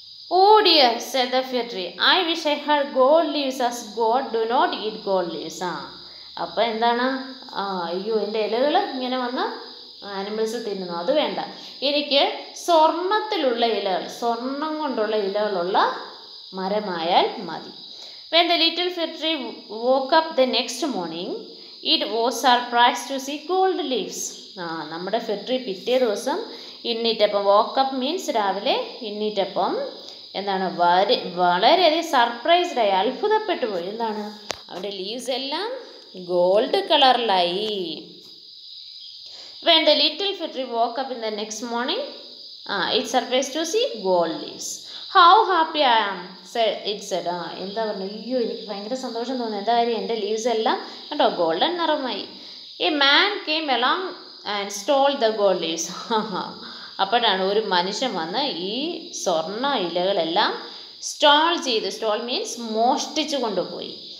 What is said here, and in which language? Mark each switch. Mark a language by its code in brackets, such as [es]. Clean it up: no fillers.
[en] Oh dear said the fir tree, I wish I had gold leaves as god do not eat gold leaves. [ml] അപ്പം എന്താണ്? അയ്യോ, എൻ്റെ ഇലകൾ ഇങ്ങനെ വന്ന് ആനിമൽസ് തിന്നുന്നു, അത് വേണ്ട, എനിക്ക് സ്വർണത്തിലുള്ള ഇലകൾ, സ്വർണം കൊണ്ടുള്ള ഇലകളുള്ള മരമായാൽ മതി. [en] When the little fir tree woke up the next morning, it was surprised to see gold leaves. [ml] നമ്മുടെ fir tree പിറ്റേ ദിവസം ഇന്നിട്ടപ്പം, വോക്ക് അപ്പ് മീൻസ് രാവിലെ ഇന്നിട്ടപ്പം, എന്താണ് വളരെയധികം സർപ്രൈസ്ഡ് ആയി, അത്ഭുതപ്പെട്ടു പോയി. എന്താണ്, അവിടെ ലീവ്സ് എല്ലാം gold കളറിലായി. [en] When the little fir tree woke up in the next morning, it surprised to see gold leaves. How happy I am, it said. [ml] എന്താ പറഞ്ഞു, അയ്യോ എനിക്ക് ഭയങ്കര സന്തോഷം തോന്നി, എന്താ കാര്യം എൻ്റെ ലീവ്സ് എല്ലാം കേട്ടോ ഗോൾഡൻ നിറമായി. [en] A man came along and stole the gold leaves. [ml] അപ്പോഴാണ് ഒരു മനുഷ്യൻ വന്ന് ഈ സ്വർണ്ണ ഇലകളെല്ലാം സ്റ്റോൾ ചെയ്ത്, സ്റ്റോൾ മീൻസ് മോഷ്ടിച്ചു കൊണ്ടുപോയി.